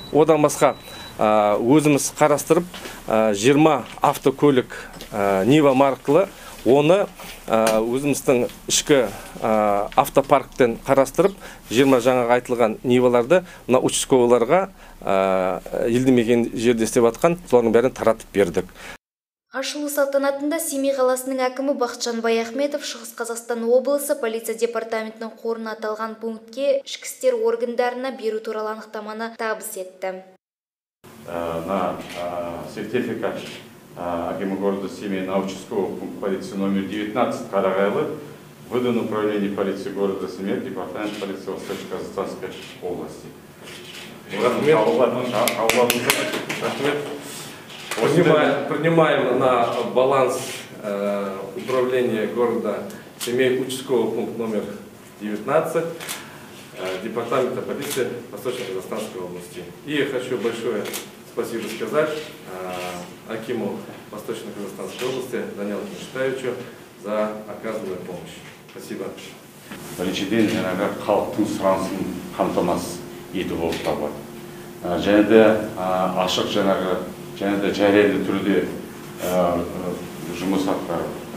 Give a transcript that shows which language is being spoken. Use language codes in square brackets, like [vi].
[kk] Одан басқа өзіміз қарастырып 20 автокөлік Нива марқылы оны өзіміздің ішкі автопарктен қарастырып, 20 жаңа айтылған неваларды мына участковыларға елді мекен жерде істеп атқан соның бәрін таратып бердік. Ашылу салтанатында Семей қаласының әкімі Бақытжан Баяхметов Шығыс Қазақстан облысы полиция департаментінің қорына аталған пунктке ішкі істер органдарына беру туралы анықтаманы табыс етті. [ru] На сертификат Акиму города Семей на участковый пункт полиции номер 19 Карагайлы выдан управление полиции города Семей департамент полиции Восточно-Казахстанской области. Принимаем на баланс управления города Семей участковый пункт номер 19 департамента полиции Восточно-Казахстанской области. И я хочу большое спасибо сказать Акиму Восточно-Казахстанской области Данилу Кинштаевичу за оказанную помощь. Спасибо. [kk] Поличеден, жаңа халықтың сұранысын қамтамасыз ету болып табылады. Және де ашық жаңағы, және де жарайлы түрде жұмыс атқару.